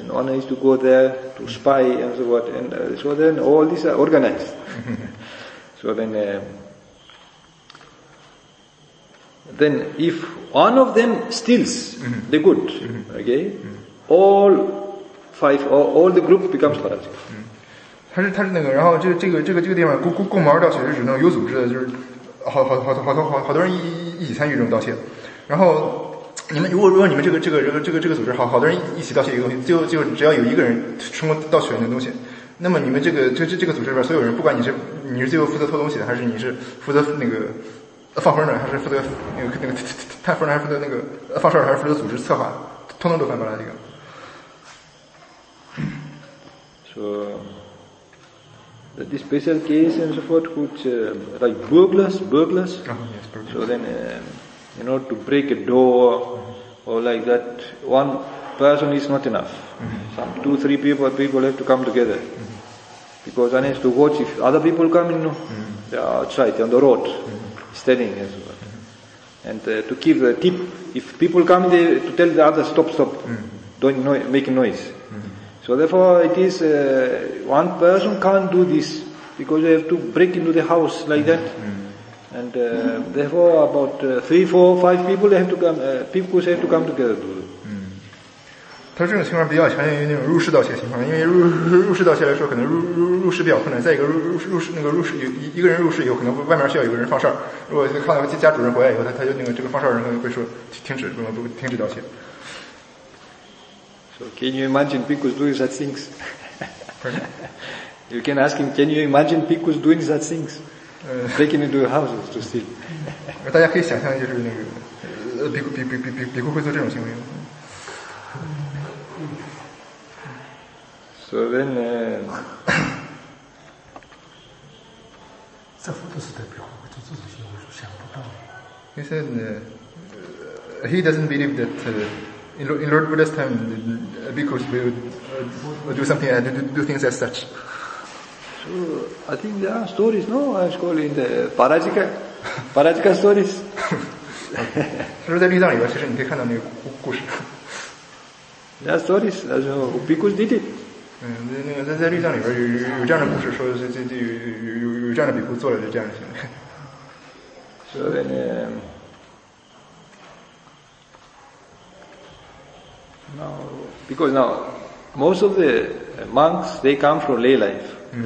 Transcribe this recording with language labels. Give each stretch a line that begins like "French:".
English: and one has to go there to spy and so what. And so then all these are organized. So then if one of them steals mm-hmm. the good, mm-hmm. okay, mm-hmm. all five or all the group becomes parasitic. Mm-hmm.
Chinese: 他是那个，然后这个地方共谋盗窃是指那种有组织的，就是好多人一起参与这种盗窃。然后你们如果你们这个组织好多人一起盗窃一个东西，就只要有一个人成功盗取了那个东西，那么你们这个组织里边所有人，不管你是最后负责偷东西的，还是你是负责那个放风的，还是负责那个探风的，还是负责那个放哨的，还是负责组织策划，通通都犯巴拉这个。说。
English: The special case and so forth, which like burglars. Oh, yes, burglars. So then, in order to break a door or like that, one person is not enough. Mm-hmm. Some two, three people have to come together mm-hmm. because one has to watch if other people come in. No, mm-hmm. they are outside on the road, mm-hmm. standing and so forth. Mm-hmm. And to give a tip, if people come, they to tell the others stop, mm-hmm. don't make noise. Mm-hmm. So therefore, it is one person can't do this because they have to break into the house like mm-hmm. that, mm-hmm. and therefore about three, four, five people have to come. People have to come together to do.
Chinese: 他这种情况比较强烈于那种入室盗窃情况，因为入室盗窃来说，可能入室比较困难。再一个入室一个人入室以后，可能外面需要有个人放哨。如果看到家主人回来以后，他就那个这个放哨人会说停止，不能停止盗窃。
English: So can you imagine bhikkhus doing such things? Pardon? You can ask him, can you imagine bhikkhus doing such things? Breaking into your houses to steal.
Chinese: 大家可以想象就是那个比库会做这种行为吗？
English: So then,
Chinese: 这不都是对比库会做这种行为，想不到。
English: He said, he doesn't believe that in Lord Buddha's time, bhikkhus would do things as such. So I think there are stories, no? I was calling the Parajika stories.
Chinese: 就是在律藏里边，其实你可以看到那个故事。
English: There are stories. That's how bhikkhus did it.
Chinese: 嗯，那个在律藏里边有这样的故事，说这有这样的比库做了这样的行为。
English: So then, now, because now, most of the monks, they come from lay life.